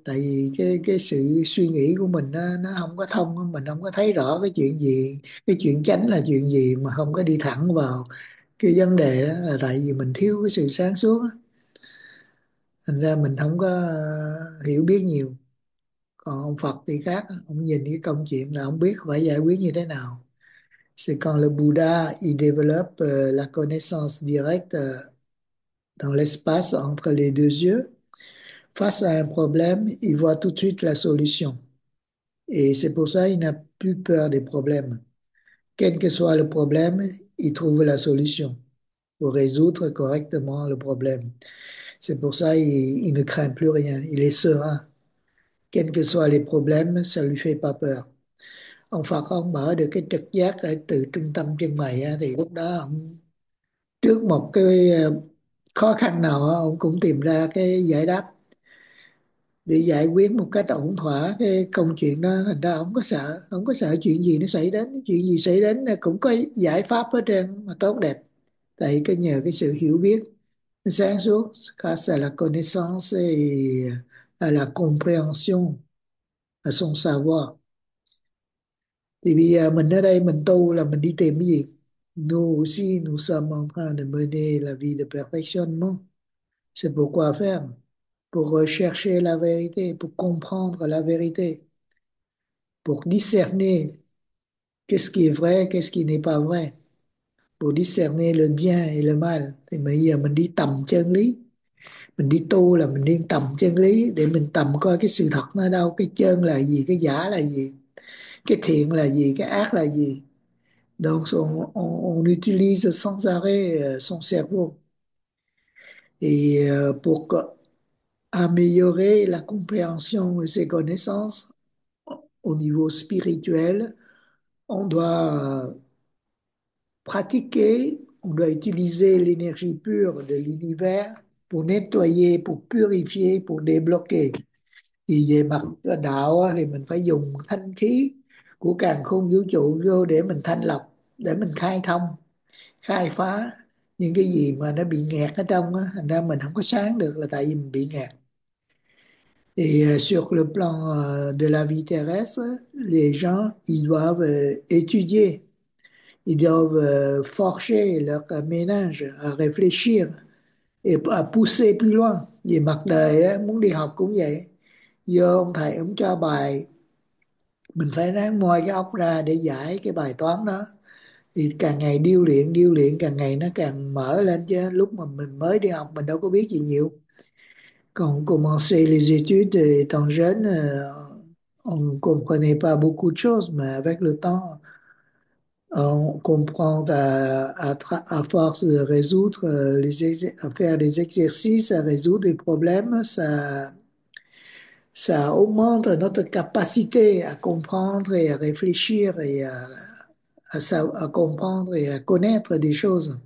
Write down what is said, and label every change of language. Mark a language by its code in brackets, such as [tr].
[vi] Tại vì cái sự suy nghĩ của mình nó không có thông, mình không có thấy rõ cái chuyện gì, cái chuyện chánh là chuyện gì, mà không có đi thẳng vào cái vấn đề đó là tại vì mình thiếu cái sự sáng suốt đó. Thành ra mình không có hiểu biết nhiều. Còn ông Phật thì khác, ông nhìn cái công chuyện là ông biết phải giải quyết như thế nào. [fr] C'est quand le Bouddha y développe la connaissance directe dans l'espace entre les deux yeux, face à un problème, il voit tout de suite la solution. Et c'est pour ça qu'il n'a plus peur des problèmes. Quel que soit le problème, il trouve la solution pour résoudre correctement le problème. C'est pour ça qu'il ne craint plus rien. Il est serein. Quels que soient les problèmes, ça ne lui fait pas peur. [vi] Ông Phật, ông mở được cái trực giác ở từ trung tâm chân mày, thì lúc đó ông trước một cái khó khăn nào, ông cũng tìm ra cái giải đáp để giải quyết một cách ổn thỏa cái công chuyện đó. Thành ra ông có sợ, ông có sợ chuyện gì nó xảy đến. Chuyện gì xảy đến cũng có giải pháp ở trên mà tốt đẹp. Tại cái nhờ cái sự hiểu biết sáng suốt, ca sẽ là [fr] connaissance et la compréhension, [vi] là [fr] son savoir. [vi] Thì bây giờ mình ở đây mình tu là mình đi tìm cái gì? [fr] Nous aussi, nous sommes en train de mener la vie de perfectionnement. C'est pourquoi faire? Pour rechercher la vérité, pour comprendre la vérité, pour discerner qu'est-ce qui est vrai, qu'est-ce qui n'est pas vrai. Pour discerner le bien et le mal, [vi] thì bây giờ mình đi tầm chân lý. Mình đi tu là mình đi tầm chân lý để mình tầm coi cái sự thật nó đâu, cái chân là gì, cái giả là gì, cái thiện là gì, cái ác là gì. [fr] Donc on utilise sans arrêt son cerveau. Et pour améliorer la compréhension de ses connaissances au niveau spirituel, on doit pratiquer, on doit utiliser l'énergie pure de l'univers pour nettoyer, pour purifier, pour débloquer. [vi] Thì về mặt đạo thì mình phải dùng thanh khí của càn khôn vũ trụ vô để mình thanh lọc, để mình khai thông, khai phá những cái gì mà nó bị nghẹt ở trong á. Thành ra mình không có sáng được là tại vì mình bị nghẹt. [fr] Et sur le plan de la vie terrestre, les gens, ils doivent étudier. Ils doivent forger leur ménage à réfléchir et à pousser plus loin. [vi] Vì mặt đời ấy, muốn đi học cũng vậy. Do ông thầy ông cho bài, mình phải ráng moi cái óc ra để giải cái bài toán đó. Thì càng ngày điêu luyện càng ngày nó càng mở lên chứ. Lúc mà mình mới đi học mình đâu có biết gì nhiều. [fr] Quand on commençait les études étant jeune, On ne comprenait pas beaucoup de choses, mais avec le temps, on comprend à force de résoudre, à faire des exercices, à résoudre des problèmes, ça augmente notre capacité à comprendre et à réfléchir et à comprendre et à connaître des choses.